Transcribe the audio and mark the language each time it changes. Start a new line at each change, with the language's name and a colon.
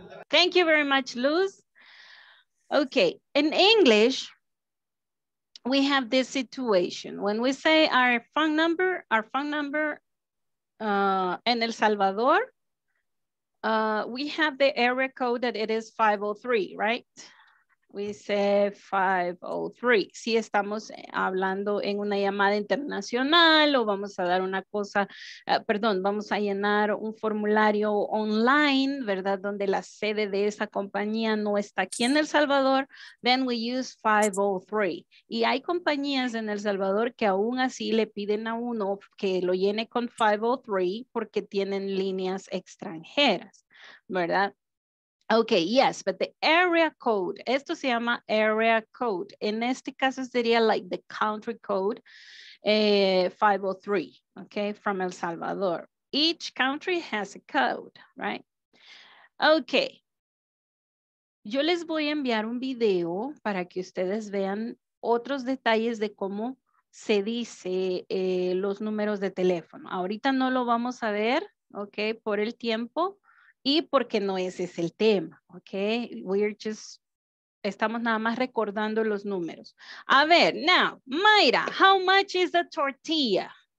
English: Thank you very much, Luz. Okay, in English, we have this situation. When we say our phone number in El Salvador, we have the area code that it is 503, right? We say 503.
Spanish: Si estamos hablando en una llamada internacional o vamos a dar una cosa, perdón, vamos a llenar un formulario online, ¿verdad? Donde la sede de esa compañía no está aquí en El Salvador,
English: then we use 503.
Spanish: Y hay compañías en El Salvador que aún así le piden a uno que lo llene con 503 porque tienen líneas extranjeras, ¿verdad?
English: Okay, yes, but the area code,
Spanish: esto se llama
English: area code.
Spanish: En este caso sería
English: like the country code 503, okay, from El Salvador. Each country has a code, right?
Spanish: Okay, yo les voy a enviar un video para que ustedes vean otros detalles de cómo se dice los números de teléfono. Ahorita no lo vamos a ver, okay, por el tiempo. Y porque no ese es el tema, ¿ok? Estamos nada más recordando los números.
English: A ver, now, Mayra, how much is a tortilla?